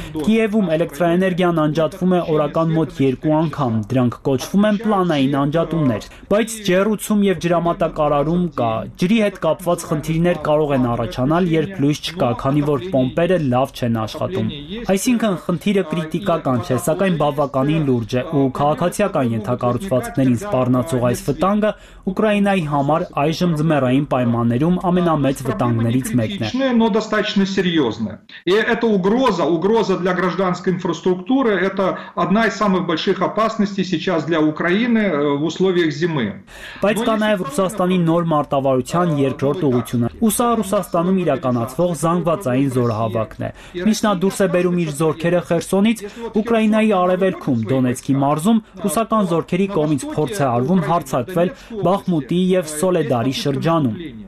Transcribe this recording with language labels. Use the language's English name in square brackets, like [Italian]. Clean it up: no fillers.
[Armenian] Կիևում էլեկտրաէներգիան անջատվում է օրական մոտ 2 անգամ, դրանք կոչվում են պլանային անջատումներ, բայց ջերուցում եւ ջրամատակ առարում կա։ Ջրի հետ կապված խնդիրներ կարող են առաջանալ, երբ լույս չկա, քանի որ պոմպերը լավ չեն աշխատում։ Այսինքն, խնդիրը կրիտիկական չէ, սակայն բավականին լուրջ է, ու քաղաքացիական ենթակառուցվածքներին սպառնացող այս վտանգը Ուկրաինայի համար այժմ ձմեռային պայմաններում ամենամեծ վտանգներից մեկն է։ [Russian] Но достаточно серьёзно. И это угроза для гражданской инфраструктуры, это одна из самых больших опасностей сейчас для Украины в условиях зимы. [Armenian] Բայց կա նաև Ռուսաստանի նոր մարտավարության երկրորդ ուղությունը։ Ուսա Ռուսաստանում իրականացվող զանգվածային զորահավաքն է։ Միշտ դուրս է բերում իր զորքերը Խերսոնից, Ուկրաինայի արևելքում, Դոնեցկի մարզում ռուսական զորքերի կողմից փորձ է արվում հարձակվել Բախմուտի եւ Սոլեդարի շրջանում։